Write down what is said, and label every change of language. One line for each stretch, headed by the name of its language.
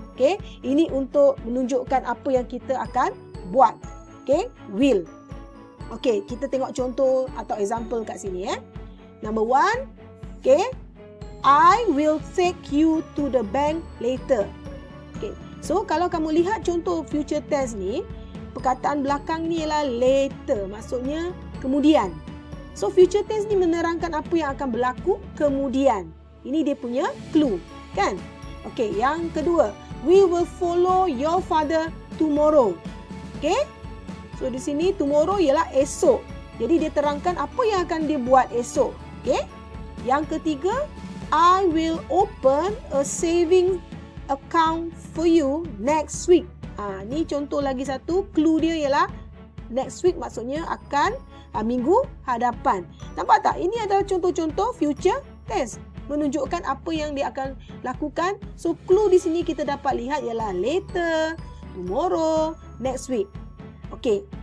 Malay: Okey, ini untuk menunjukkan apa yang kita akan buat. Okey, will. Okey, kita tengok contoh atau example kat sini ya.
English: Number 1, okey, I will take you to the bank later. Okey.
Malay: So, kalau kamu lihat contoh future tense ni, perkataan belakang ni ialah later. Maksudnya kemudian. So, future tense ni menerangkan apa yang akan berlaku kemudian. Ini dia punya clue, kan? Okey, yang kedua.
English: We will follow your father tomorrow. Okey?
Malay: So, di sini tomorrow ialah esok. Jadi, dia terangkan apa yang akan dia buat esok. Okey? Yang ketiga.
English: I will open a saving account for you next week.
Malay: Ni contoh lagi satu. Clue dia ialah next week maksudnya akan minggu hadapan. Nampak tak? Ini adalah contoh-contoh future tense. Menunjukkan apa yang dia akan lakukan. So, clue di sini kita dapat lihat ialah later, tomorrow, next week. Okay.